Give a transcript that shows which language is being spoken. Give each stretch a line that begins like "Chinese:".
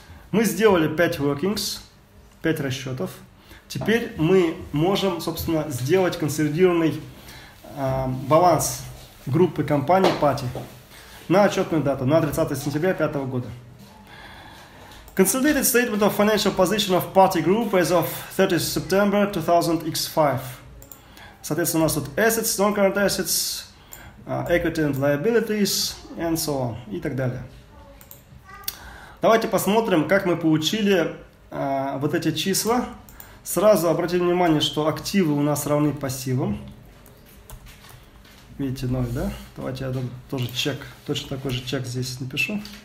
Russian: Мы сделали 5 workings, 5 расчетов. Теперь мы можем, собственно, сделать консолидированный баланс группы компаний PATI на отчетную дату, на 30 сентября 2005 года.
English: Consolidated statement of financial position of PATI Group as of 30 September 2005.
Russian: Соответственно, у нас тут
English: assets, non-current assets, equity and liabilities, and so on,
Russian: и так далее. Давайте посмотрим, как мы получили вот эти числа. Сразу обратим внимание, что активы у нас равны пассивам. Видите, 0, да? Давайте я тоже чек, точно такой же чек здесь напишу.